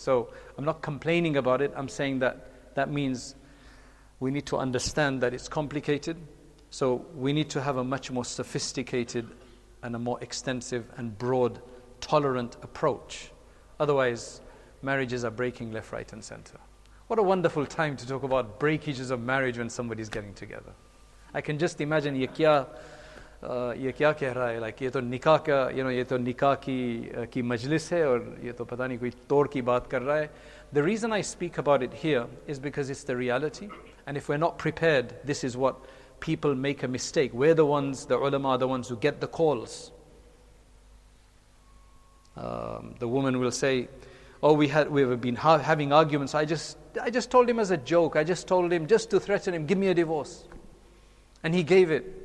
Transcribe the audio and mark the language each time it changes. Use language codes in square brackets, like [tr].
[en] So I'm not complaining about it. I'm saying that that means we need to understand that it's complicated. So we need to have a much more sophisticated and a more extensive and broad, tolerant approach. Otherwise, marriages are breaking left, right and center. What a wonderful time to talk about breakages of marriage when somebody's getting together. I can just imagine [ur] یہ کیا کہہ رہا ہے، like یہ تو نکاح کا، you know، یہ تو نکاح کی مجلس ہے، اور یہ تو پتا نہیں کوئی توڑ کی بات کر رہا ہے۔ [en] The reason I speak about it here is because it's the reality, and if we're not prepared, this is what people make a mistake. We're the ones, the ulama are the ones who get the calls. The woman will say, oh, we've been having arguments, I just told him as a joke, I just told him just to threaten him, give me a divorce. And he gave it.